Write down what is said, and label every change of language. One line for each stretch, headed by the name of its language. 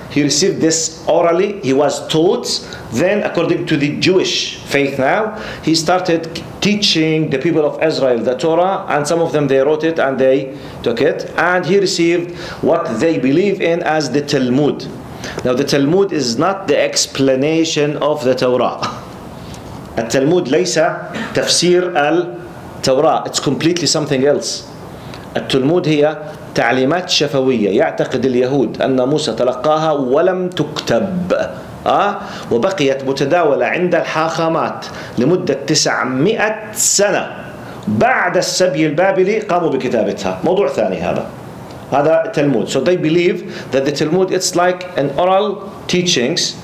English: He received this orally. He was taught. Then, according to the Jewish faith, now he started teaching the people of Israel the Torah, and some of them they wrote it and they took it, and he received what they believe in as the Talmud. Now, the Talmud is not the explanation of the Torah.
Arabic: A Talmud laysa tafsir al Torah.
English: It's completely something else. A Talmud here.
Arabic: تعليمات شفوية يعتقد اليهود أن موسى تلقاها ولم تكتب وبقيت متداولة عند الحاخامات لمدة 900 سنة بعد السبي البابلي قاموا بكتابتها. موضوع ثاني هذا التلمود.
English: So they believe that the Talmud it's like an oral teachings.